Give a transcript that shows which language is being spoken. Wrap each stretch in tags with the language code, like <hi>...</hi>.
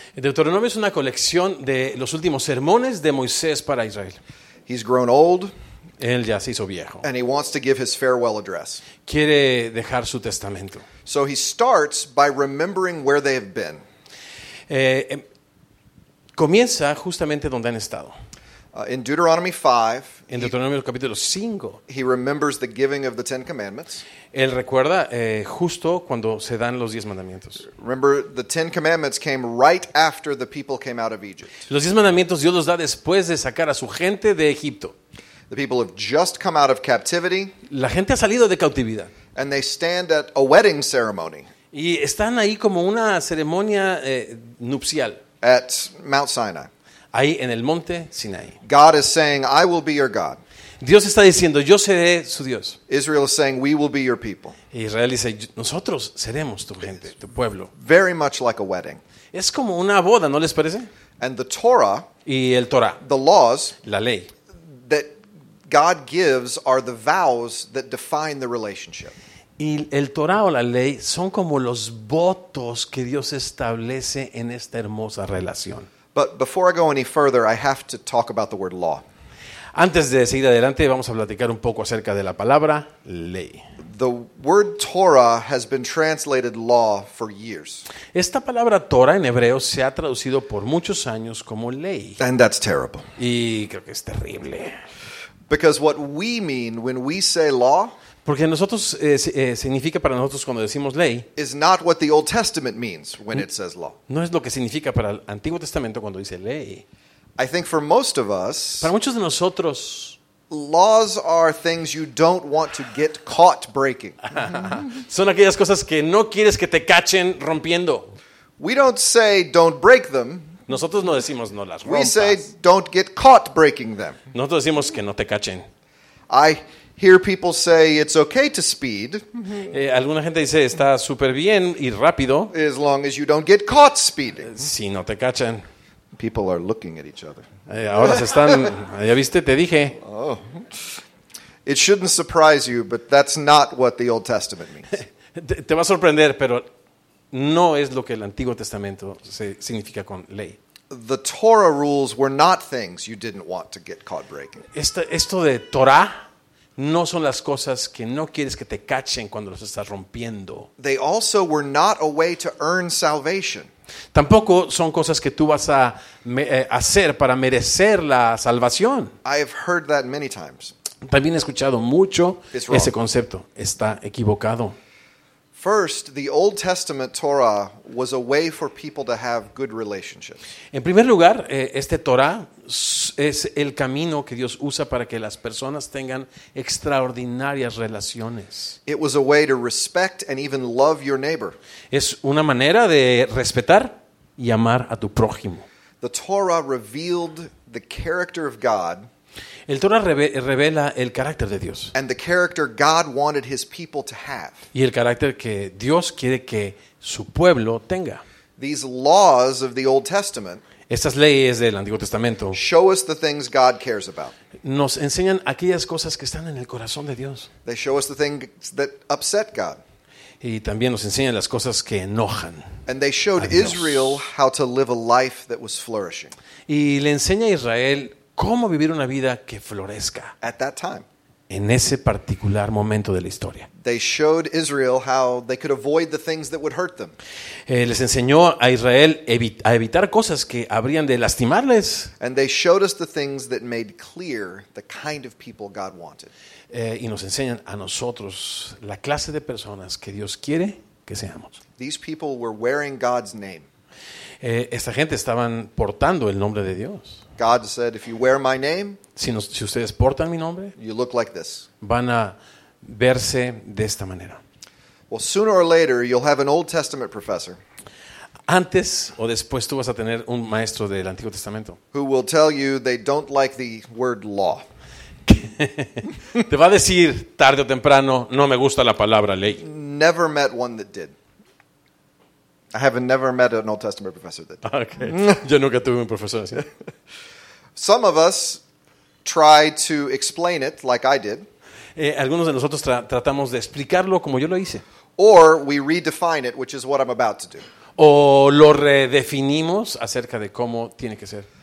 <es>Deuteronomio es una colección de los últimos sermones de Moisés para Israel.</es> <en>He's grown old.</en> <es>Él ya se hizo viejo.</es> <en>And he wants to give his farewell address.</en> <es>Quiere dejar su testamento.</es> <en>So he starts by remembering where they have been.</en> <es>Comienza justamente donde han estado.</es> <en>In Deuteronomy 5,</en> <es>en Deuteronomio capítulo 5,</es> <en>he remembers the giving of the Ten Commandments.</en> <es>Él recuerda justo cuando se dan los 10 mandamientos.</es> <en>Remember, the Ten Commandments came right after the people came out of Egypt.</en> <es>Los 10 mandamientos Dios los da después de sacar a su gente de Egipto.</es> <en>The people have just come out of captivity.</en> <es>La gente ha salido de cautividad.</es> <en>And they stand at a wedding ceremony.</en> <es>Y están ahí como una ceremonia nupcial.</es> <en>At Mount Sinai.</en> <es>Ahí en el monte Sinaí.</es> <en>God is saying, I will be your God.</en> <es>Dios está diciendo, yo seré su Dios.</es> <en>Israel is saying, we will be your people.</en> <es>Israel dice, nosotros seremos tu gente, tu pueblo.</es> <en>Very much like a wedding.</en> <es>Es como una boda, ¿no les parece?</es> <en>And the Torah,</en> <es>y el Torah,</es> <en>the laws,</en> <es>la ley,</es> <en>that God gives are the vows that define the relationship.</en> <es>Y el Torah o la ley son como los votos que Dios establece en esta hermosa relación.</es> <en>But before I go any further, I have to talk about the word law.</en> <es>Antes de seguir adelante, vamos a platicar un poco acerca de la palabra ley.</es> <en>The word Torah has been translated law for years.</en> <es>Esta palabra Torah en hebreo se ha traducido por muchos años como ley.</es> <en>And that's terrible.</en> <es>Y creo que es terrible.</es> <en>Because what we mean when we say law,</en> <es>porque nosotros significa para nosotros cuando decimos ley,</es> <en>is not what the Old Testament means when it says law.</en> <es>No es lo que significa para el Antiguo Testamento cuando dice ley.</es> <en>I think for most of us,</en> <es>para muchos de nosotros,</es> <en>laws are things you don't want to get caught breaking.</en> <es>Son aquellas cosas que no quieres que te cachen rompiendo.</es> <en>We don't say don't break them.</en> <es>Nosotros no decimos no las rompas.</es> <en>We say don't get caught breaking them.</en> <es>Nosotros decimos que no te cachen.</es> <en>I hear people say it's okay to speed.</en> <es>Alguna gente dice está súper bien y rápido.</es> <en>As long as you don't get caught speeding.</en> <es>Si no te cachan.</es> <en>People are looking at each other.</en> <es>Ahora se están. Ya viste, te dije. Oh.</es> <en>It shouldn't surprise you, but that's not what the Old Testament means.</en> <es>Te va a sorprender, pero no es lo que el Antiguo Testamento significa con ley.</es> <en>The Torah rules were not things you didn't want to get caught breaking.</en> <es>Esto de Torah no son las cosas que no quieres que te cachen cuando los estás rompiendo.</es> <en>They also were not a way to earn salvation.</en> <es>Tampoco son cosas que tú vas a hacer para merecer la salvación.</es> <en>I've heard that many times.</en> <es>También he escuchado mucho ese concepto. Está equivocado.</es> <en>First, the Old Testament Torah was a way for people to have good relationships.</en> <es>En primer lugar, este Torah es el camino que Dios usa para que las personas tengan extraordinarias relaciones.</es> <en>It was a way to respect and even love your neighbor.</en> <es>Es una manera de respetar y amar a tu prójimo.</es> <en>The Torah revealed the character of God.</en> <es>El Torah revela el carácter de Dios.</es> <en>And the character God wanted his people to have.</en> <es>Y el carácter que Dios quiere que su pueblo tenga.</es> <en>These laws of the Old Testament,</en> <es>estas leyes del Antiguo Testamento,</es> <en>show us the things God cares about.</en> <es>Nos enseñan aquellas cosas que están en el corazón de Dios.</es> <en>They show us the things that upset God.</en> <es>Y también nos enseñan las cosas que enojan.</es> <en>And they showed Israel how to live a life that was flourishing.</en> <es>Y le enseña a Israel cómo vivir una vida que florezca.</es> <en>At that time,</en> <es>en ese particular momento de la historia.</es> <en>They showed Israel how they could avoid the things that would hurt them.</en> <es>Les enseñó a Israel a evitar cosas que habrían de lastimarles.</es> <en>And they showed us the things that made clear the kind of people God wanted.</en> <es>Y nos enseñan a nosotros la clase de personas que Dios quiere que seamos.</es> <en>These people were wearing God's name.</en> <es>Esta gente estaban portando el nombre de Dios.</es> <en>God said, if you wear my name,</en> <es>si ustedes portan mi nombre,</es> <en>you look like this.</en> <es>Van a verse de esta manera.</es> <en>Well, sooner or later, you'll have an Old Testament professor.</en> <es>antes o después tú vas a tener un maestro del Antiguo Testamento.</es> <en>Who will tell you they don't like the word law.</en> <es>Te va a decir tarde o temprano, no me gusta la palabra ley.</es> <en>Never met one that did. I have never met an Old Testament professor that did. Okay.</en> <es>Yo nunca tuve un profesor así.</es> <en>Some of us try to explain it like I did.</en> <es>Algunos de nosotros tratamos de explicarlo como yo lo hice.</es> <en>Or we redefine it, which is what I'm about to do.</en> <es>O lo redefinimos acerca de cómo tiene que ser.</es>